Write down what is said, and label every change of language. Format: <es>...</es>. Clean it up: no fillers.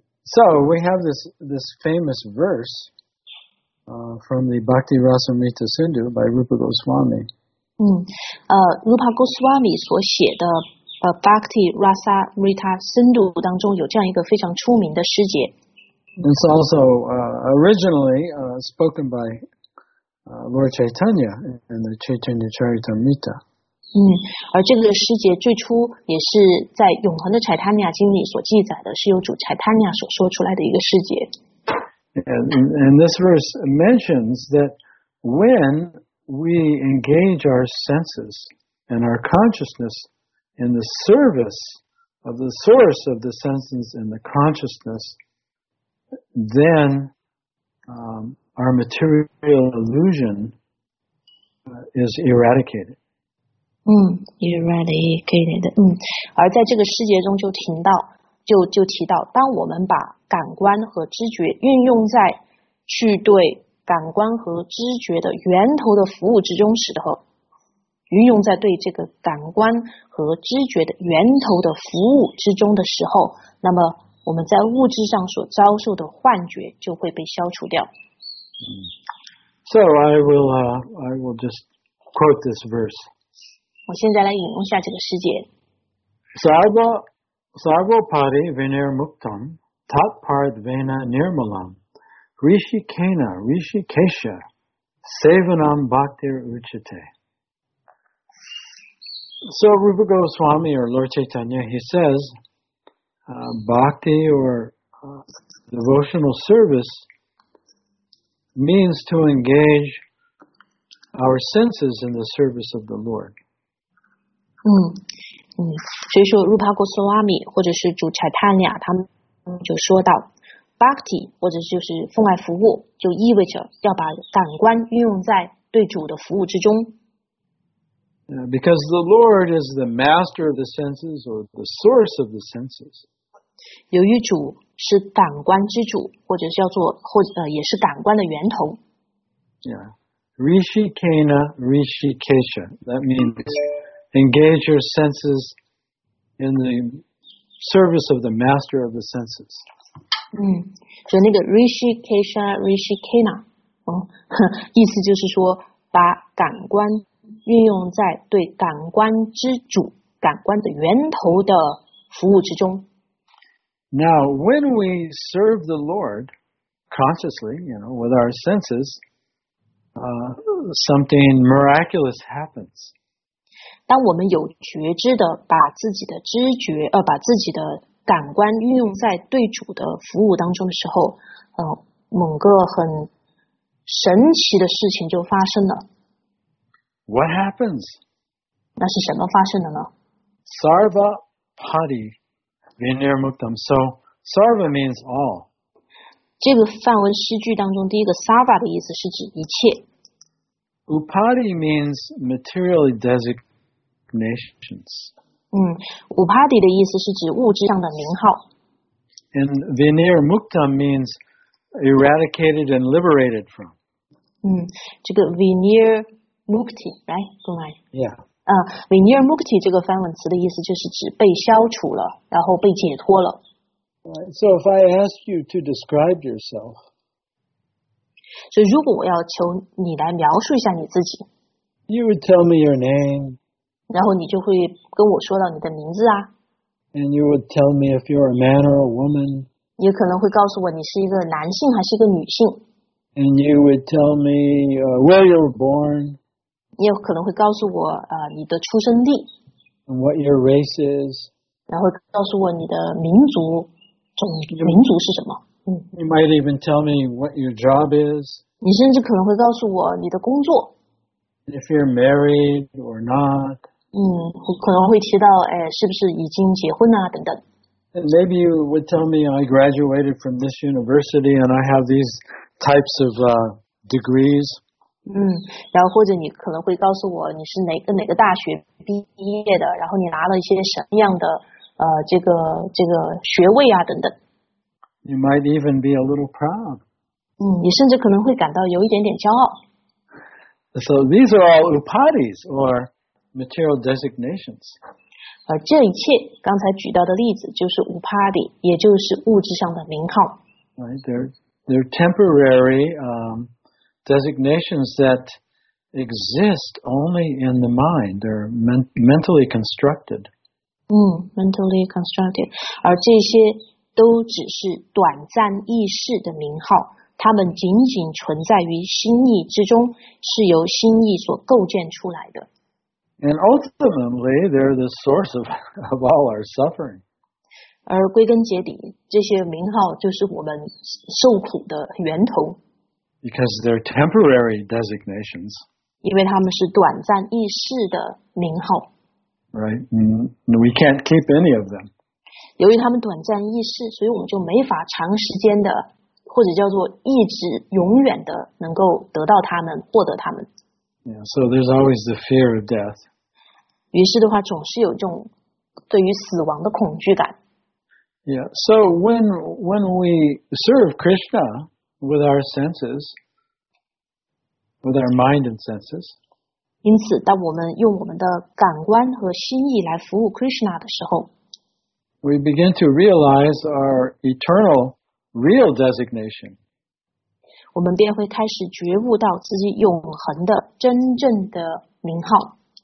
<en>So we have this famous verse, from the Bhakti Rasamrita Sindhu by Rupa Goswami.</en> <zh>Rupa Goswami 所写的Bhakti Rasamrita Sindhu 当中有这样一个非常出名的诗节。</zh> <en>It's also originally spoken by Lord Chaitanya in the Chaitanya Charitamrita.</en> <zh>而这个诗节最初也是在永恒的柴塔尼亚经里所记载的，是由主柴塔尼亚所说出来的一个诗节。</zh> <en>And this verse mentions that when we engage our senses and our consciousness in the service of the source of the senses and the consciousness, then our material illusion is eradicated. Eradicated.</en> <zh>而在这个世界中就听到，就提到，当我们把感官和知觉运用在去对感官和知觉的源头的服务之中时候，运用在对这个感官和知觉的源头的服务之中的时候，那么我们在物质上所遭受的幻觉就会被消除掉。</zh> <en>So I will just quote this verse.</en> <zh>我现在来引用下这个诗节。</zh> <sa>Sarva Pari Vinir Muktam Tat Part Vena Nirmalam Rishikena Rishikesha Sevanam Bhaktir Uchite.</sa> <en>So Rupa Goswami or Lord Chaitanya, he says, bhakti or devotional service means to engage our senses in the service of the Lord.</en> <zh>所以说 Rupa Goswami 或者是主 Chaitanya 他们就说到 Bhakti 或者就是奉爱服务就意味着要把感官运用在对主的服务之中。</zh> <en>Because the Lord is the master of the senses or the source of the senses.</en> <zh>由于主是感官之主，或者叫做也是感官的源头。</zh> <en>Yeah, Rishikena Rishikesha. That means engage your senses in the service of the master of the senses.</en> <zh>所以那个 Rishikesha Rishikena， 意思就是说把感官运用在对感官之主、感官的源头的服务之中。</zh> <en>Now, when we serve the Lord consciously, you know, with our senses, something miraculous happens.</en> <zh>当我们有觉知的把自己的知觉，把自己的感官运用在对主的服务当中的时候，某个很神奇的事情就发生了。</zh> <en>What happens?</en> <zh>那是什么发生的呢？</zh> <en>Sarva Pati. So, sarva means all.</en> <zh>这个梵文诗句当中第一个 sarva 的意思是指一切。</zh> <en>Upadi means material designations.</en> <zh>Upadi 的意思是指物质上的名号。</zh> <en>And vinir muktam means eradicated and liberated from.</en> <zh>这个 vinir mukti,</zh> <en>right? Go ahead. Yeah.</en> <zh>Vinir Mukti 这个梵文词的意思就是指被消除了，然后被解脱了。</zh> <en>So if I ask you to describe yourself,</en> <zh>所以如果我要求你来描述一下你自己</zh> <en>，You would tell me your name.</en> <zh>然后你就会跟我说到你的名字啊。</zh> <en>And you would tell me if you're a man or a woman.</en> <zh>你可能会告诉我你是一个男性还是一个女性。</zh> <en>And you would tell me where you were born.</en> <zh>你也可能会告诉我你的出生地</zh> <en>and what your race is.</en> <zh>然后告诉我你的民族是什么。</zh> <en>You might even tell me what your job is.</en> <zh>你甚至可能会告诉我你的工作。</zh> <en>if you're married or not.</en> <zh>可能会提到、哎、是不是已经结婚啊等等。</zh> <en>And maybe you would tell me I graduated from this university and I have these types of、degrees.</en> <zh>然后或者你可能会告诉我你是哪个大学毕业的，然后你拿了一些什么样的、这个学位啊等等。</zh> <en>You might even be a little proud.</en> <zh>你甚至可能会感到有一点点骄傲。</zh> <en>So these are all upadis or material designations.</en> <zh>这一切刚才举到的例子就是 upadi, 也就是物质上的名号。</zh> <en>Right, they're temporary、designations that exist only in the mind. They're mentally constructed. Mentally constructed.</en> <zh>而这些都只是短暂意识的名号，它们仅仅存在于心意之中，是由心意所构建出来的。</zh> <en>And ultimately, they're the source of all our suffering.</en> <zh>而归根结底，这些名号就是我们受苦的源头。</zh> <en>Because they're temporary designations.</en> <zh>因为它们是短暂意识的名号。</zh> <en>Right, we can't keep any of them.</en> <zh>由于他们短暂易逝，所以我们就没法长时间的，或者叫做一直永远的能够得到他们，获得他们。</zh> <en>Yeah, so there's always the fear of death.</en> <zh>于是的话，总是有这种对于死亡的恐惧感。</zh> <en>Yeah, so when we serve Krishna with our senses, with our mind and senses.</en> <zh>因此，当我们用我们的感官和心意来服务 Krishna 的时候。</zh> <en>We begin to realize our eternal, real designation.</en> <zh>我们便会开始觉悟到自己永恒的真正的名号。</zh>